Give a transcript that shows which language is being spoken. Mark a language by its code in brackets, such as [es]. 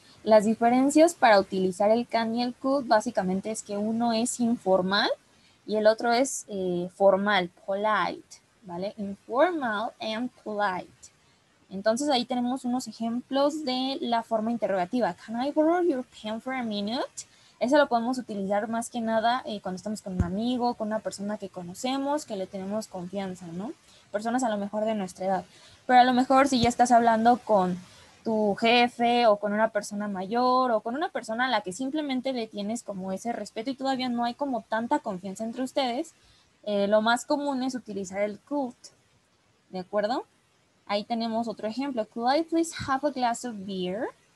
[es] Las diferencias para utilizar el can y el could básicamente es que uno es informal y el otro es formal, polite, ¿vale? [en] Informal and polite. [es] Entonces ahí tenemos unos ejemplos de la forma interrogativa. [en] Can I borrow your pen for a minute? [es] Eso lo podemos utilizar más que nada cuando estamos con un amigo, con una persona que conocemos, que le tenemos confianza, ¿no? Personas a lo mejor de nuestra edad. Pero a lo mejor si ya estás hablando con tu jefe o con una persona mayor o con una persona a la que simplemente le tienes como ese respeto y todavía no hay como tanta confianza entre ustedes, lo más común es utilizar el could. ¿De acuerdo? Ahí tenemos otro ejemplo. [en] Could I please have a glass of beer?